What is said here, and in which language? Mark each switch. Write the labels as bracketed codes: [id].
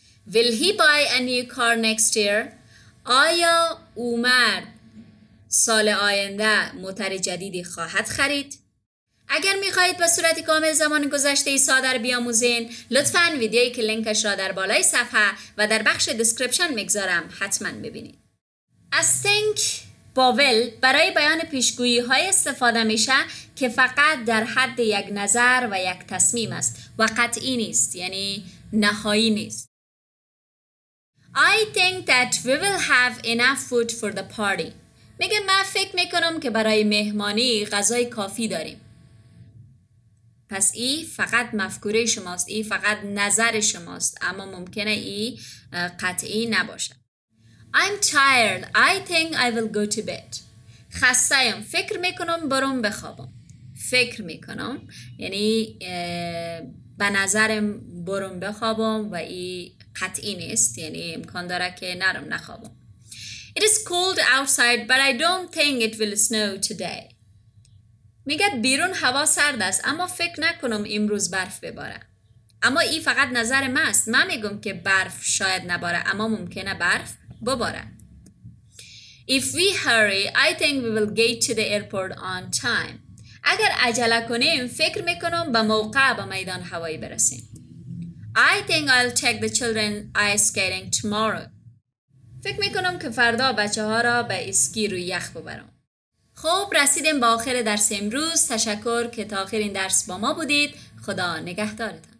[en] Will he buy a new car next year؟ [fa] آیا او مرد سال آینده موتر جدیدی خواهد خرید؟ اگر میخواهید به صورت کامل زمان گذشته ای ساده بیاموزین، لطفاً ویدیویی که لینکش را در بالای صفحه و در بخش دسکریپشن میگذارم حتماً ببینید. از think با will برای بیان پیشگویی های استفاده میشه که فقط در حد یک نظر و یک تصمیم است و قطعی نیست، یعنی نهایی نیست. [en] I think that we will have enough food for the party. [fa] میگه من فکر میکنم که برای مهمانی غذای کافی داریم. پس ای فقط مفکوره شماست، ای فقط نظر شماست، اما ممکنه ای قطعی نباشه. [en] I'm tired. I think I will go to bed. [fa] خستم، فکر میکنم برم بخوابم. فکر میکنم یعنی به نظرم برم بخوابم و ای قطعی نیست، یعنی امکان داره که نرم نخوابم. [en] It is cold outside, but I don't think it will snow today. [fa] میگه بیرون هوا سرد است، اما فکر نکنم امروز برف بباره. اما ای فقط نظر ما است. من میگم که برف شاید نباره، اما ممکنه برف بباره. [en] If we hurry, I think we will get to the airport on time. [fa] اگر عجله کنیم، فکر میکنم به موقع به میدان هوایی برسیم. [en] I think I'll take the children ice skating tomorrow. [fa] فکر میکنم که فردا بچه ها را به اسکی روی یخ ببرم. خب رسیدیم به آخر درس امروز. تشکر که تا آخرین درس با ما بودید. خدا نگهدارتان.